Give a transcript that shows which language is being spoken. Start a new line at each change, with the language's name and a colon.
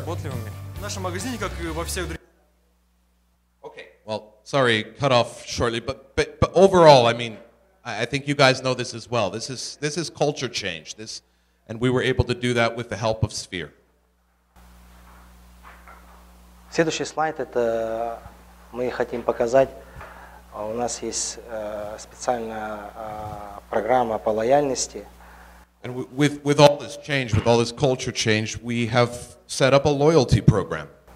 Russian: В нашем магазине, как и во всех.
English: Okay. Well, sorry, cut off shortly, but overall, I mean, I think you guys know this as well. This is culture change. And we were able to do that with the help of Sphere.
Russian: Следующий слайд это мы хотим показать. У нас есть специальная программа по лояльности.
English: And with all this change, with all this culture change, we have set up a loyalty program.